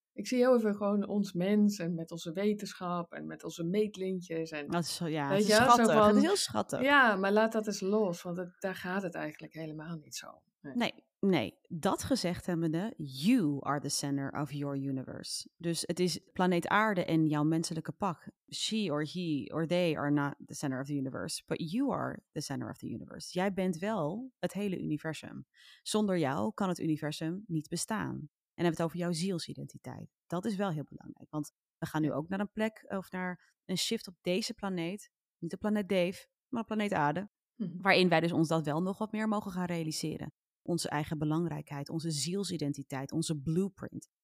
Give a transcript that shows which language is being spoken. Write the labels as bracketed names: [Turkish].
[Dutch] Ik zie heel even gewoon ons mens en met onze wetenschap en met onze meetlintjes. En, dat is, het is schattig, het is heel schattig. Ja, maar laat dat eens los, want daar gaat het eigenlijk helemaal niet zo. Nee, dat gezegd hebbende, [English] you are the center of your universe. [Dutch] Dus het is planeet Aarde en jouw menselijke pak. [English] She or he or they are not the center of the universe, but you are the center of the universe. [Dutch] Jij bent wel het hele universum. Zonder jou kan het universum niet bestaan. En hebben we het over jouw zielsidentiteit. Dat is wel heel belangrijk, want we gaan nu ook naar een plek of naar een shift op deze planeet. Niet de planeet Dave, maar de planeet Aarde. Mm-hmm. Waarin wij dus ons dat wel nog wat meer mogen gaan realiseren. Onze eigen belangrijkheid, onze zielsidentiteit, onze blueprint.